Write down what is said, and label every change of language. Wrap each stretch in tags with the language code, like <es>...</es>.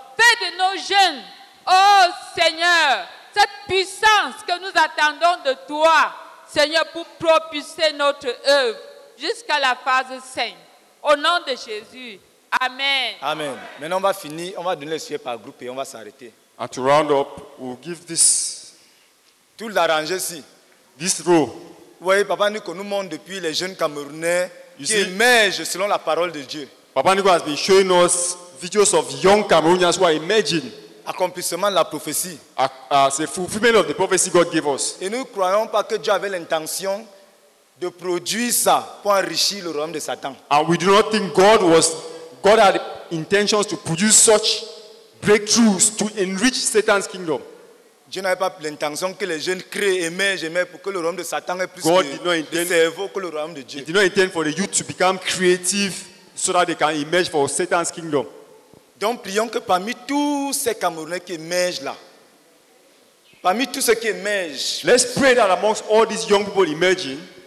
<fr>Fais de nos jeunes, oh Seigneur, cette puissance que nous attendons de toi, Seigneur, pour propulser notre œuvre jusqu'à la phase 5. Au nom de Jésus, amen. Amen. Maintenant, on va finir, on va donner les sujets par groupe et on va s'arrêter.</fr> <en>And to round up, we'll give this.</en> <fr>Tout l'arranger ici.</fr> <en>This row.</en> <fr>Oui, Papa Nico nous montre depuis les jeunes Camerounais. Qui émerge selon la parole de Dieu.</fr> <en>Papa Nico has been showing us videos of young Cameroonians who are emerging.</en> <fr>Accomplissement de la prophétie. C'est</fr> <en>fulfillment of the prophecy God gave us.</en> <fr>Et nous ne croyons pas que Dieu avait l'intention de produire ça pour enrichir le royaume de Satan.</fr> <en>And we do not think God had intentions to produce such breakthroughs to enrich Satan's kingdom.</en> <fr>Dieu n'avait pas l'intention que les jeunes créent, émergent, pour que le royaume de Satan ait plus de cerveau que le royaume de Dieu.</fr> <en>He did not intend for the youth to become creative so that they can emerge for Satan's kingdom.</en> <fr>Donc prions que parmi tous ces Camerounais qui émergent là, parmi tous ceux qui émergent,</fr> <en>let's pray that amongst all these young people emerging,</en>